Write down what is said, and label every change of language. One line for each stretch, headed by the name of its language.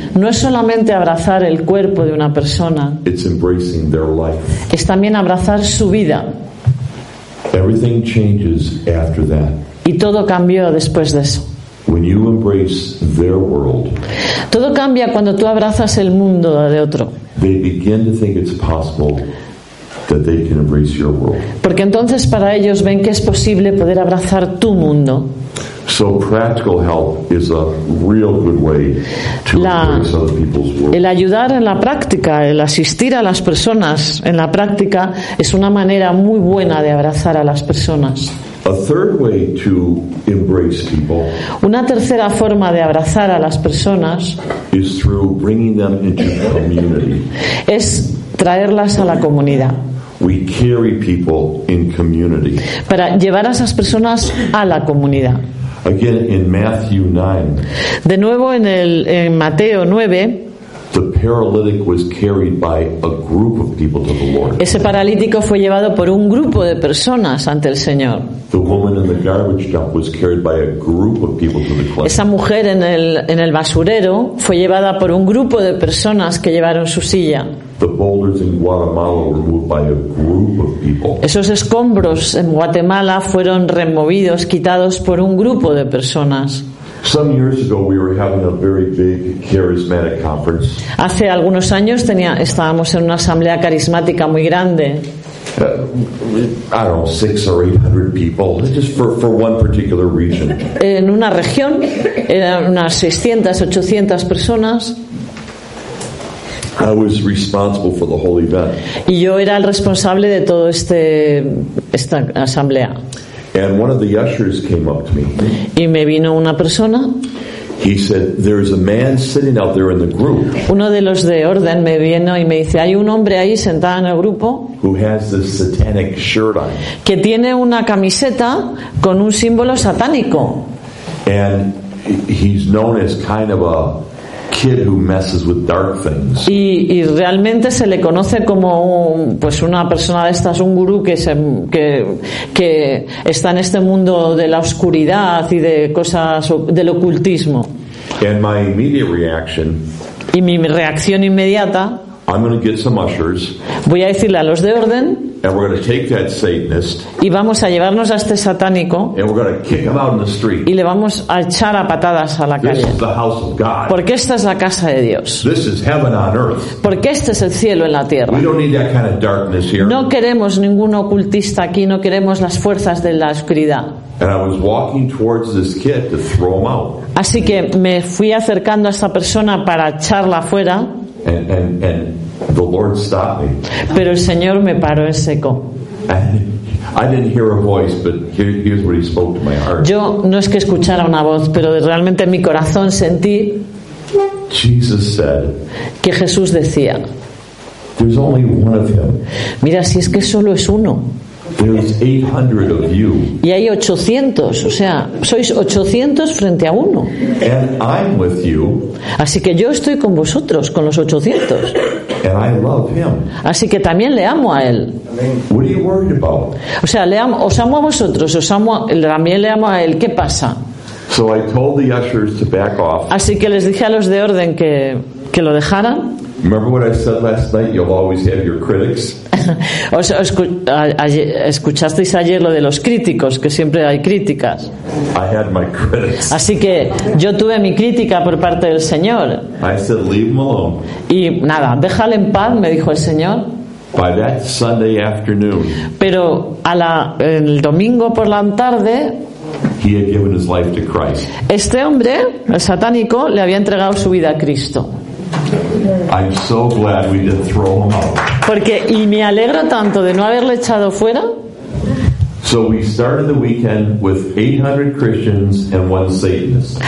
Spanish: No es solamente abrazar el cuerpo de una persona.
English: It's embracing their life.
Spanish: Es también abrazar su vida.
English: Everything changes after that.
Spanish: Y todo cambió después de eso.
English: When you embrace their world,
Spanish: todo cambia cuando tú abrazas el mundo de otro.
English: They begin to think it's possible that they can embrace your world.
Spanish: Porque entonces para ellos ven que es posible poder abrazar tu mundo.
English: So practical help is a real good way to embrace other people's world.
Spanish: El ayudar en la práctica, el asistir a las personas en la práctica, es una manera muy buena de abrazar a las personas.
English: A third way to embrace people.
Spanish: Una tercera forma de abrazar a las personas
English: is through bringing them into community.
Spanish: Es traerlas a la comunidad.
English: We carry people in community.
Spanish: Para llevar a esas personas a la comunidad.
English: Again in Matthew 9.
Spanish: De nuevo en Mateo 9.
English: The paralytic was carried by a group of people to the Lord.
Spanish: Ese paralítico fue llevado por un grupo de personas ante el Señor.
English: The woman in the garbage dump was carried by a group of people to the clay.
Spanish: Esa mujer en el basurero fue llevada por un grupo de personas que llevaron su silla.
English: The boulders in Guatemala were moved by a group of people.
Spanish: Esos escombros en Guatemala fueron removidos, quitados por un grupo de personas.
English: Some years ago, we were having a very big charismatic conference.
Spanish: Hace algunos años estábamos en una asamblea carismática muy grande.
English: I don't know, 600 or 800 people, just for one particular region.
Spanish: En una región eran unas 600-800 personas.
English: I was responsible for the whole event.
Spanish: Y yo era el responsable de todo esta asamblea.
English: And one of the ushers came up to me.
Spanish: Y me vino una persona.
English: He said, "There's a man sitting out there in the group."
Spanish: Uno de los de orden me vino y me dice, "Hay un hombre ahí sentado en el grupo."
English: Who has this satanic shirt on?
Spanish: Que tiene una camiseta con un símbolo satánico.
English: And he's known as kind of a kid who messes with dark things.
Spanish: Y realmente se le conoce como pues una persona de estas, un gurú que está en este mundo de la oscuridad y de cosas del ocultismo.
English: And my immediate reaction.
Spanish: Y mi reacción inmediata.
English: I'm going to get some ushers.
Spanish: Voy a decirle a los de orden.
English: And we're going to take that Satanist.
Spanish: Y vamos a llevarnos a este satánico.
English: And we're going to kick him out in the street.
Spanish: Y le vamos a echar a patadas a la calle.
English: This is the house of God.
Spanish: Porque esta es la casa de Dios.
English: This is heaven on earth.
Spanish: Porque este es el cielo en la tierra.
English: We don't need that kind of darkness here.
Spanish: No queremos ningún ocultista aquí. No queremos las fuerzas de la oscuridad.
English: And I was walking towards this kid to throw him out.
Spanish: Así que me fui acercando a esta persona para echarla fuera.
English: And the Lord stopped me.
Spanish: Pero el Señor me paró en seco.
English: And I didn't hear a voice, but here's what he spoke to my heart.
Spanish: Yo no es que escuchara una voz, pero realmente en mi corazón sentí.
English: Jesus said.
Spanish: Que Jesús decía.
English: There's only one of him.
Spanish: Mira, si es que solo es uno.
English: There's 800 of you.
Spanish: Y hay 800, o sea, sois 800 frente a uno.
English: And I'm with you.
Spanish: Así que yo estoy con vosotros, con los 800.
English: And I love him.
Spanish: Así que también le amo a él.
English: What are you worried about?
Spanish: O sea, le amo, os amo a vosotros, os amo a, también le amo a él. ¿Qué pasa?
English: So I told the ushers to back off.
Spanish: Así que les dije a los de orden que lo dejaran.
English: Remember what I said last night? You'll always have your critics.
Spanish: ¿Escuchasteis ayer lo de los críticos, que siempre hay críticas?
English: I had my critics.
Spanish: Así que yo tuve mi crítica por parte del Señor.
English: I said, leave him alone.
Spanish: Y nada, déjale en paz, me dijo el Señor.
English: By that Sunday afternoon,
Spanish: pero a la, el domingo por la tarde,
English: he had given his life to Christ.
Spanish: Este hombre, el satánico, le había entregado su vida a Cristo.
English: I'm so glad we didn't throw him out.
Spanish: Porque y me alegro tanto de no haberle echado fuera.
English: So we started the weekend with 800 Christians and one Satanist.